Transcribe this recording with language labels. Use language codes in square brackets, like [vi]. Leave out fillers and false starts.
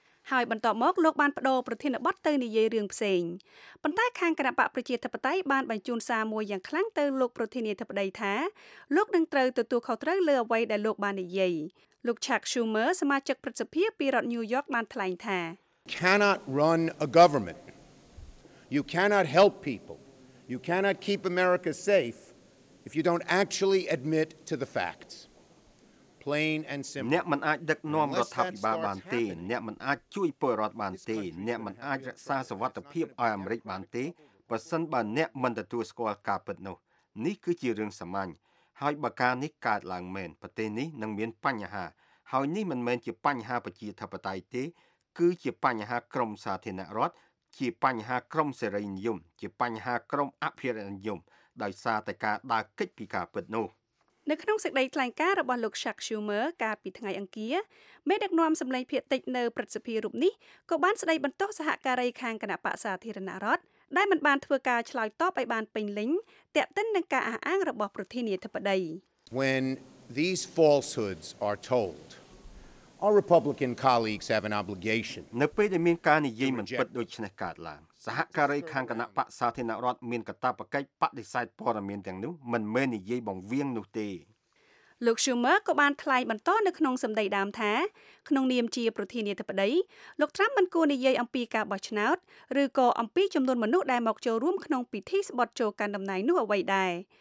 [km] ហើយបន្តមកលោកបានបដូរប្រធានបទទៅនិយាយរឿងផ្សេងប៉ុន្តែខាងគណបកប្រជាធិបតេយ្យបានបញ្ជូនសារមួយយ៉ាងខ្លាំងទៅលោកប្រធានាធិបតីថាលោកនឹងត្រូវទទួលខុសត្រូវលើអ្វីដែលលោកបាននិយាយលោក Chuck Schumer សមាជិកព្រឹទ្ធសភាពីរដ្ឋ New York បានថ្លែងថា [en] Cannot run a government. You cannot help people. You cannot keep America safe if you don't actually admit to the facts. plain and simple [km] អ្នកមិនអាចដឹកនាំរដ្ឋាភិបាលបានទេអ្នកមិនអាចជួយពលរដ្ឋបានទេអ្នកមិនអាចរក្សាសវត្ថិភាពឲ្យអាមេរិកបានទេបើសិនបើអ្នកមិនទទួលស្គាល់ការពិតនោះនេះគឺជារឿងសាមញ្ញហើយបើការនេះកើតឡើងមែនប្រទេសនេះនឹងមានបញ្ហាហើយនេះមិនមែនជាបញ្ហាប្រជាធិបតេយ្យទេគឺជាបញ្ហាក្រមសាធារណរដ្ឋជាបញ្ហាក្រមសេរីនិយមជាបញ្ហាក្រមអភិរិយនិយមដោយសារតែការដើរគេចពីការពិតនោះ នៅក្នុងសេចក្តីថ្លែងការណ៍របស់លោក Chuck Schumer កាលពីថ្ងៃអង្គារមេដឹកនាំសម្លេងភៀតតិចនៅព្រឹទ្ធសភារូបនេះក៏បានស្ដីបន្ទោសសហការីខាងគណៈបក្សសាធារណរដ្ឋដែលមិនបានធ្វើការឆ្លើយតបឲ្យបានពេញលេញតែកតិននឹងការអះអាងរបស់ប្រធានាធិបតី [en] When these falsehoods are told our Republican colleagues have an obligation [km] នៅពេលដែលមានការនិយាយមិនពិតដូចនេះកើតឡើងសហការីខាងគណៈបក្សសាធារណរដ្ឋមានកាតព្វកិច្ចបដិសេធព័ត៌មានទាំងនោះមិនមែននិយាយបង្វៀងនោះទេ លោក Schumer ក៏បានថ្លែងបន្តនៅក្នុងសម្ដីដើមថាក្នុងនាមជាប្រធានាធិបតីលោក Trump មិនគួរនិយាយអំពីការបោះឆ្នោតឬក៏អំពីចំនួនមនុស្សដែលមកចូលរួមក្នុងពិធីស្បត់ចូលកាន់តំណែងនោះអ្វីដែរ